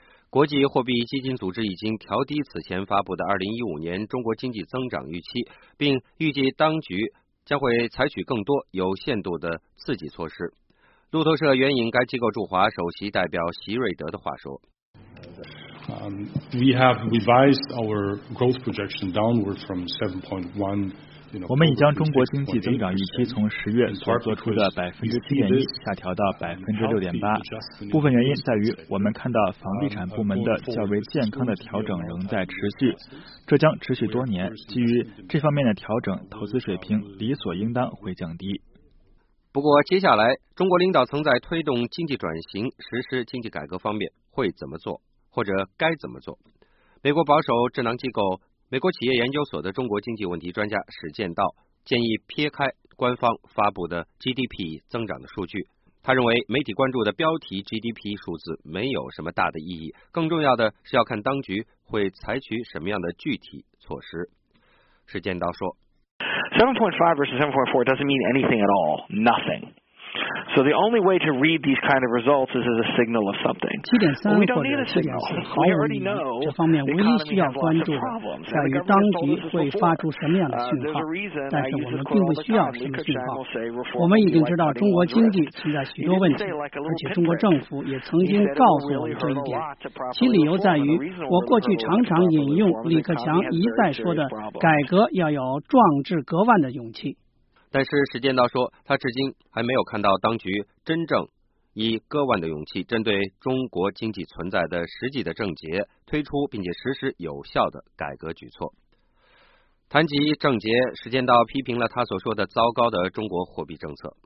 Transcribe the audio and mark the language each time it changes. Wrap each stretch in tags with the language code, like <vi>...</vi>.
<zh>国际货币基金组织已经调低此前发布的2015年中国经济增长预期，并预计当局将会采取更多有限度的刺激措施。路透社援引该机构驻华首席代表席瑞德的话说，</zh> <en>We have revised our growth projection downward from 7.1%。</en> <zh>我们已将中国经济增长预期从十月所做出的7.1%下调到6.8%，部分原因在于我们看到房地产部门的较为健康的调整仍在持续，这将持续多年，基于这方面的调整，投资水平理所应当会降低。不过接下来中国领导层在推动经济转型、实施经济改革方面会怎么做，或者该怎么做？美国保守智囊机构美国企业研究所的中国经济问题专家史建道建议撇开官方发布的 GDP 增长的数据，他认为媒体关注的标题 GDP 数字没有什么大的意义，更重要的是要看当局会采取什么样的具体措施。史建道说，</zh> <en>7.5 versus 7.4 doesn't mean anything at all, nothing. So the only way to read these kind of results is as a signal of something. Well, we don't need a signal. We already know the economy has lots of problems. And the government told us before, there's a reason I use this quote all the time. Li Keqiang will say reform will be like cutting one direct. He didn't say like a little pit prick. He said it would really hurt a lot to properly reform. And the reason it would really hurt a lot to properly reform is the economy has very serious problems.</en> <zh>但是实践道说，他至今还没有看到当局真正以割腕的勇气针对中国经济存在的实际的症结推出并且实施有效的改革举措。谈及症结，实践道批评了他所说的糟糕的中国货币政策。</zh>